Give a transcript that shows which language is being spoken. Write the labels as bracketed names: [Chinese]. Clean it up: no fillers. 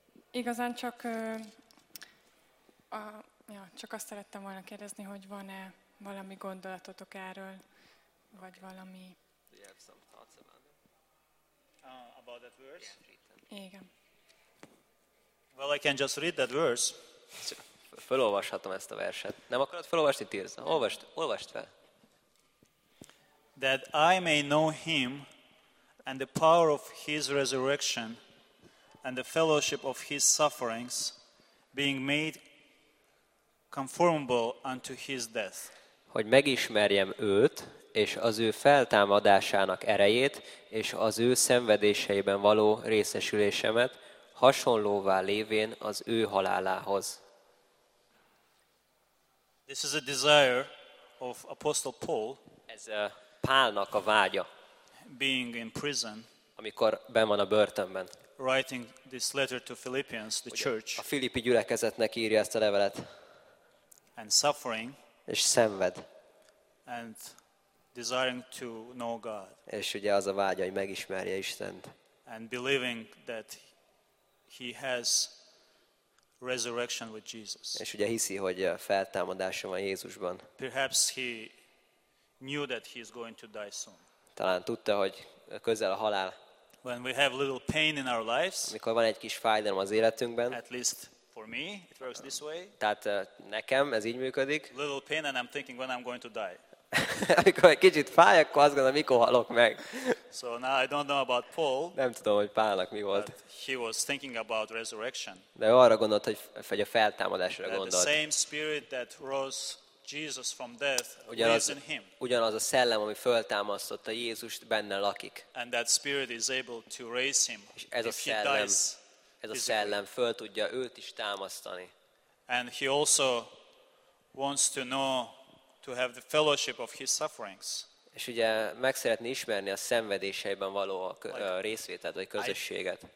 [Hungarian] Igazán csak csak azt szerettem volna kérdezni, hogy van-e valami gondolatotok erről, vagy valami. [English] Do you have some thoughts about it? About that verse? [Hungarian] Igen. [English] Well, I can just read that verse. [Hungarian] felolvashatom ezt a verset. Nem akarod felolvasni, Tirza? Olvasd fel. [English] That I may know him and the power of his resurrection and the fellowship of his sufferings being made conformable unto his death. [Hungarian] Hogy megismerjem őt és az ő feltámadásának erejét és az ő szenvedéseiben való részesülésemet, hasonlóvá lévén az ő halálához. [English] This is a desire of Apostle Paul. [Hungarian] Ez a Pálnak a vágya. [English] Being in prison. [Hungarian] Amikor benn van a börtönben. [English] Writing this letter to Philippians, the church. [Hungarian] A Filippi gyülekezetnek írja ezt a levelet. [English] And suffering. [Hungarian] És szenved. [English] And desiring to know God. [Hungarian] És ugye az a vágya, hogy megismerje Istent. [English] And believing that he has resurrection with Jesus. [Hungarian] És ugye hiszi, hogy a feltámadása van Jézusban. [English] Perhaps he knew that he is going to die soon. [Hungarian] Talán tudta, hogy közel a halál. [English] When we have little pain in our lives. [Hungarian] Amikor van egy kis fájdalom az életünkben. [English] At least for me, it works this way. [Hungarian] Tehát nekem ez így működik. [English] Little pain and I'm thinking when I'm going to die. [Hungarian] Amikor egy kicsit fáj, akkor azt gondolom, mikor halok meg. [English] So now I don't know about Paul. [Hungarian] Nem tudom, hogy Pálnak mi volt. [English] He was thinking about resurrection. [Hungarian] De ő arra gondolt, hogy a feltámadásra gondolt. [English] The same spirit that rose Jesus from death lives in him. [Hungarian] Ugyanaz a szellem, ami föltámasztotta Jézust, benne lakik. [English] And that spirit is able to raise him. [Hungarian] És ez a szellem föl tudja őt is támasztani. [English] And he also wants to know to have the fellowship of his sufferings. [Hungarian] És ugye meg szeretné ismerni a szenvedéseiben való részvételt vagy közösséget.